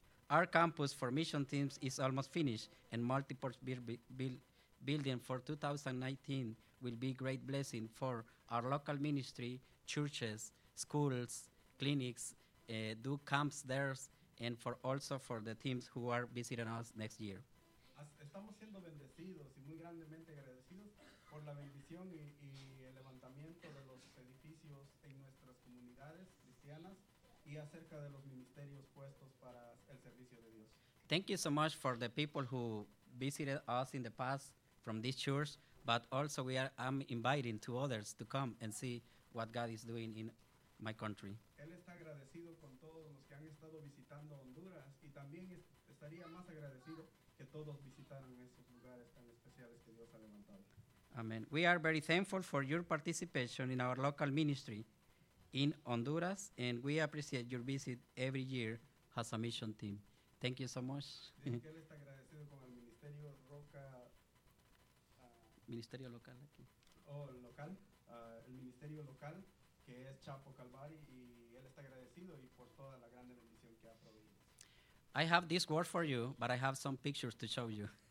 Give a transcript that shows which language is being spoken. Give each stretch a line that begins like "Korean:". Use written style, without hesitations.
English: Our campus for mission teams is almost finished, and multi-purpose building for 2019 will be a great blessing for our local ministry, churches, schools, clinics, do camps there, and for also for the teams who are visiting us next year.
Spanish: Estamos siendo bendecidos y muy grandemente agradecidos por la bendición y el levantamiento de los edificios en nuestras comunidades cristianas y acerca de los ministerios puestos para el servicio de Dios.
English: Thank you so much for the people who visited us in the past from this church, but also I'm inviting to others to come and see what God is doing in my country.
Spanish: Él está agradecido con todos los que han estado visitando Honduras y también estaría más agradecido que todos visitaran esos lugares tan especiales que Dios ha levantado. Amen.
English: We are very thankful for your participation in our local ministry in Honduras, and we appreciate your visit every year as a mission team. Thank you so much.
Spanish: Él está agradecido con el Ministerio Roca. Ministerio local aquí.
English: Oh, local.
Spanish: El Ministerio local, que es Chapo Calvary, y él está agradecido y por toda la grande bendición que ha proveído.
English: I have this word for you, but I have some pictures to show you.